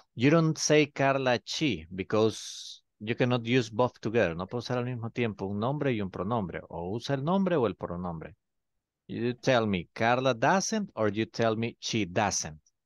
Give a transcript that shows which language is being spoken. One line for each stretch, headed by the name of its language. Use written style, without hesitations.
English: You don't say Carla she because you cannot use both together.
Spanish: No puedo usar al mismo tiempo un nombre y un pronombre. O usa el nombre o el pronombre.
English: You tell me Carla doesn't or you tell me she doesn't.